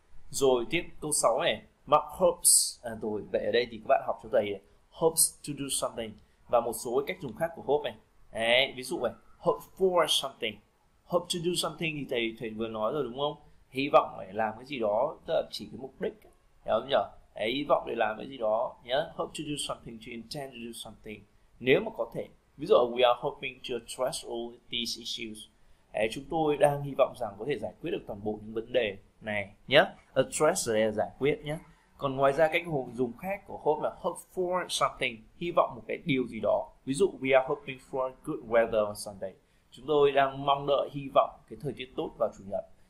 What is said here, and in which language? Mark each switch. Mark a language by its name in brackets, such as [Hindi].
[Vietnamese] Rồi tiếp câu 6 này, Mark hopes, à rồi, vậy ở đây thì các bạn học cho thầy [English] hopes to do something [Vietnamese] và một số cách dùng khác của hope này. Đấy, ví dụ này, [English] hope for something, hope to do something [Vietnamese] thì thầy vừa nói rồi đúng không? Hy vọng để làm cái gì đó, tức là chỉ cái mục đích, hiểu không nhở? Đấy, hy vọng để làm cái gì đó nhé, [English] hope to do something, to intend to do something, [Vietnamese] nếu mà có thể. Ví dụ [English] we are hoping to address all these issues. [Vietnamese] Đấy, chúng tôi đang hy vọng rằng có thể giải quyết được toàn bộ những vấn đề này nhé. Address là giải quyết nhé. Còn ngoài ra cách dùng khác của hope là [English] hope for something, [Vietnamese] hy vọng một cái điều gì đó. Ví dụ [English] we are hoping for good weather on Sunday. [Vietnamese] Chúng tôi đang mong đợi, hy vọng cái thời tiết tốt vào chủ nhật.